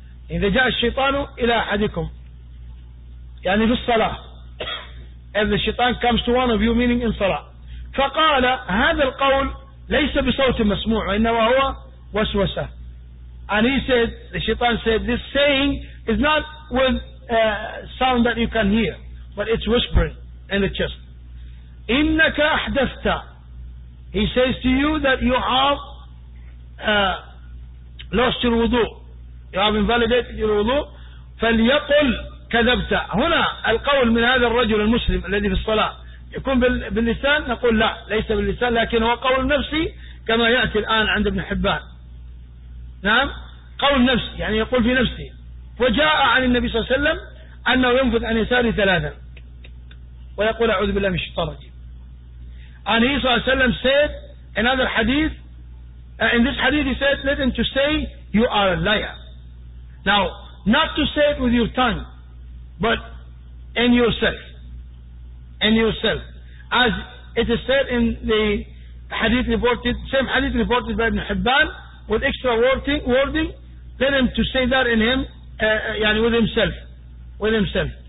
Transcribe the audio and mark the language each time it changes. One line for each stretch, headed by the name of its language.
Arabic: إذا جاء الشيطان إلى أحدكم يعني في الصلاة.
English: If the shaitan comes to one of you meaning in صلاة.
Arabic: فقال هذا القول ليس بصوت مسموع وإنما هو وسوسة.
English: And he said, the shaitan said, this saying is not with sound that you can hear, but it's whispering in the chest.
Arabic: إنك أحدثت.
English: He says to you that you have lost your wudu. You have invalidated your wudu.
Arabic: فليقل كذبت. هنا القول من هذا الرجل المسلم الذي في الصلاة. يكون باللسان نقول لا ليس باللسان لكن هو قول نفسي كما يأتي الآن عند ابن حبان. نعم قول نفسي يعني يقول في نفسي. وجاء عن النبي صلى الله عليه وسلم أنه ينفذ عن يساره ثلاثا ويقول أعوذ بالله من الشيطان الرجيم.
English: And he
Arabic: صلى الله عليه وسلم
English: said in other hadith in this hadith he said let him to say you are a liar. Now not to say it with your tongue but in yourself. And yourself, as it is said in the hadith reported, same hadith reported by Ibn Hibban with extra wording, let him to say that in him, yani with himself, with himself.